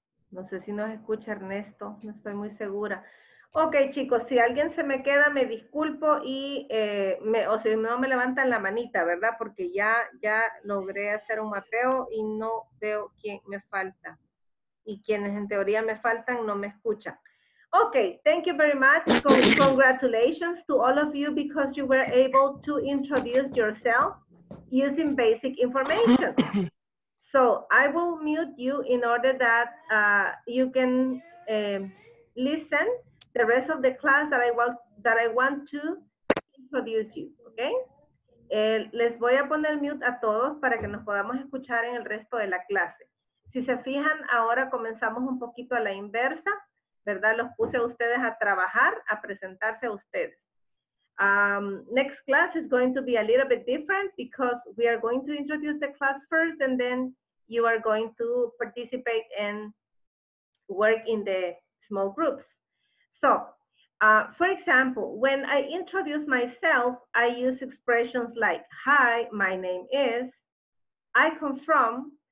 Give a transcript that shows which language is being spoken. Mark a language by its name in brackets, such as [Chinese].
[Spanish] No sé si nos escucha Ernesto, no estoy muy segura. Ok, chicos, si alguien se me queda, me disculpo y si no me levantan la manita, ¿verdad? Porque ya logré hacer un mapeo y no veo quién me falta. Y quienes en teoría me faltan no me escuchan. [English] Ok, thank you very much. Congratulations to all of you because you were able to introduce yourself using basic information. So I will mute you in order that you can listen the rest of the class that I want to introduce you, okay? [Spanish] Les voy a poner mute a todos para que nos podamos escuchar en el resto de la clase. Si se fijan, ahora comenzamos un poquito a la inversa, ¿verdad? Los puse a ustedes a trabajar, a presentarse a ustedes. [English] Next class is going to be a little bit different because we are going to introduce the class first and then you are going to participate and work in the small groups. So, for example, when I introduce myself, I use expressions like, hi, my name is, I come from.